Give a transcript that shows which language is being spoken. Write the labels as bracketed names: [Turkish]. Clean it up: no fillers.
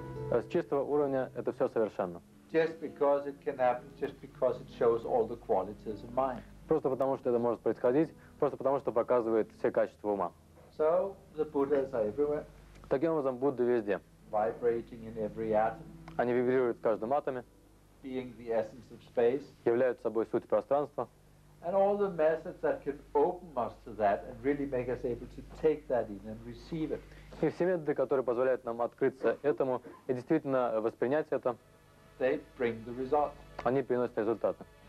[Russian] С чистого уровня это все совершенно. Просто потому что это может происходить, просто потому что показывает все качества ума. [English] So, the Buddhas are everywhere. [Russian] Таким образом, Будды везде. [English] Vibrating in every atom. [Russian] Они вибрируют в каждом атоме. [English] Being the essence of space. [Russian] Являются собой суть пространства. [English] And all the methods that can open us to that and really make us able to take that in and receive it. [Russian] И все методы, которые позволяют нам открыться этому и действительно воспринять это, [English] they bring the result. [Russian] Они приносят результаты.